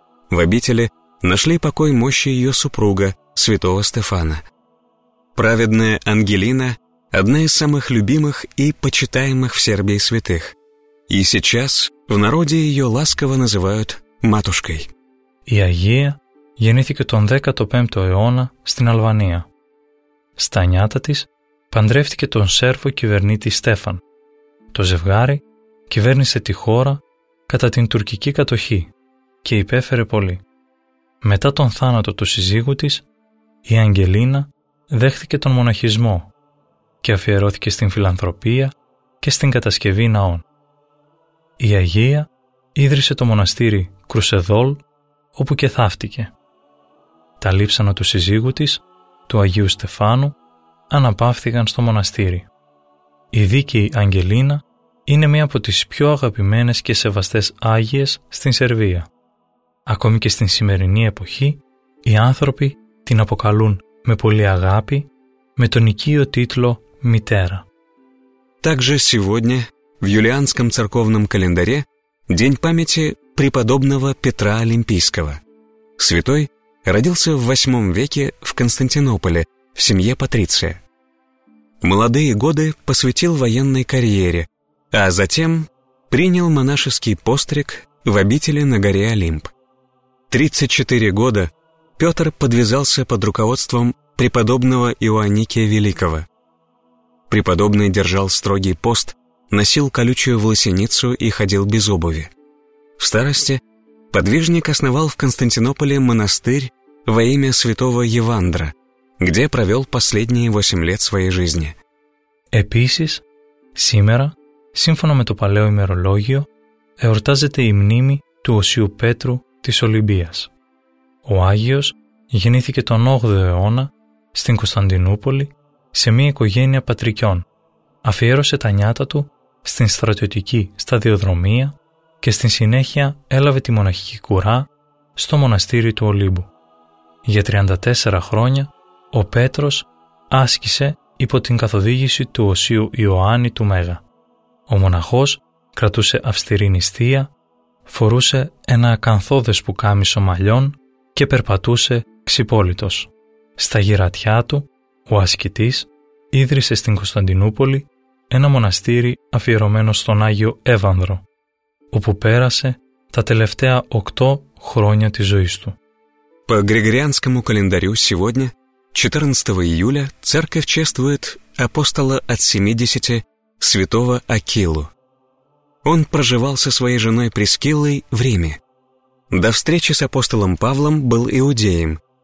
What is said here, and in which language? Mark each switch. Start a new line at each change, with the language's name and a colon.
Russian: В обители нашли покой мощи ее супруга, святого Стефана. Праведная Ангелина – одна из самых любимых и почитаемых в Сербии святых. И сейчас в народе ее ласково называют матушкой. И Агия
Greek: γεννήθηκε τον 15ο αιώνα στην Αλβανία. Στα νιάτα της παντρεύτηκε τον Σέρβο κυβερνήτη Στέφαν. Το ζευγάρι κυβέρνησε τη χώρα κατά την τουρκική κατοχή και υπέφερε πολύ. Μετά τον θάνατο του συζύγου της, η Αγγελίνα δέχθηκε τον μοναχισμό και αφιερώθηκε στην φιλανθρωπία και στην κατασκευή ναών. Η Αγία ίδρυσε το μοναστήρι Κρουσεδόλ, όπου και θαύτηκε. Τα λείψανα του συζύγου της, του Αγίου Στεφάνου, αναπαύθηκαν στο μοναστήρι. Η δίκαιη Αγγελίνα είναι μία από τις πιο αγαπημένες και σεβαστές Άγιες στην Σερβία. Ακόμη και στην σημερινή εποχή, οι άνθρωποι την αποκαλούν με πολύ αγάπη, με τον οικείο τίτλο «Μητέρα».
Russian: Также сегодня в юлианском церковном календаре день памяти преподобного Петра Олимпийского. Святой родился в 8 веке в Константинополе в семье патриция. Молодые годы посвятил военной карьере, а затем принял монашеский постриг в обители на горе Олимп. 34 года Петр подвязался под руководством преподобного Иоанникия Великого. Преподобный держал строгий пост, носил колючую волосиницу и ходил без обуви. В старости подвижник основал в Константинополе монастырь во имя святого Евандра, где провел последние 8 лет своей жизни.
Greek: Επίσης, σήμερα, σύμφωνα με το παλαιό ημερολόγιο, εορτάζεται η μνήμη του Οσίου Πέτρου της Ολυμπίας. Ο Άγιος γεννήθηκε τον 8ο αιώνα στην Κωνσταντινούπολη σε μια οικογένεια πατρικιών. Αφιέρωσε τα νιάτα του στην στρατιωτική σταδιοδρομία και στη συνέχεια έλαβε τη μοναχική κουρά στο μοναστήρι του Ολύμπου. Για 34 χρόνια ο Πέτρος άσκησε υπό την καθοδήγηση του Οσίου Ιωάννη του Μέγα. Ο μοναχός κρατούσε αυστηρή νηστεία, φορούσε ένα ακανθόδες πουκάμισο μαλλιών και περπατούσε ξυπόλυτος. Στα γυρατιά του, ο ασκητής ίδρυσε στην Κωνσταντινούπολη ένα μοναστήρι αφιερωμένο στον Άγιο Εύανδρο, όπου πέρασε τα τελευταία 8 χρόνια της ζωής του.
Russian: По Григорианскому календарю сегодня, 14 июля, церковь чествует апостола от 70, святого Акилу. Он проживал со своей женой Прескиллой в Риме. До встречи с апостолом Павлом был иудеем.